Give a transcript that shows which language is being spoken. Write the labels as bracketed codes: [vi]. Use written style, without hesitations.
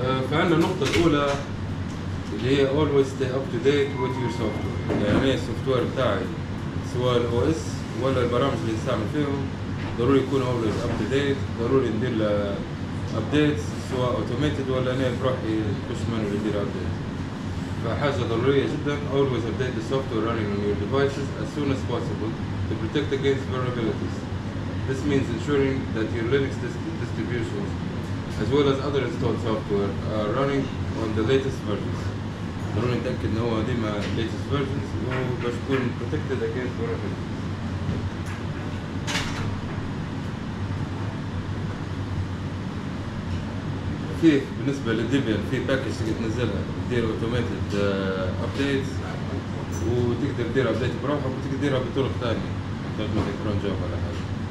[ar] فعندنا النقطة الأولى اللي هي [en] always stay up to date with your software. [ar] يعني السوفت وير بتاعي سواء الـ OS ولا البرامج اللي نستعمل فيهم ضروري يكون [en] always up to date، [ar] ضروري ندير له updates سواء automated ولا أنا بروحي نخش منه ندير updates. فحاجة ضرورية جدا [en] always update the software running on your devices as soon as possible to protect against vulnerabilities. This means ensuring that your Linux distributions as well as other installed software are running on the latest versions. [ar] ضروري نتأكد إن هو ديما latest versions وباش يكون [en] protected against vulnerabilities. [ar] فيه بالنسبة للديبيان في باكج تقدر تنزلها تدير اوتوماتيد ابديت وتقدر تدير ابديت بروحك وتقدر تديرها بطرق ثانية تخدم الكرون جوب ولا حاجة.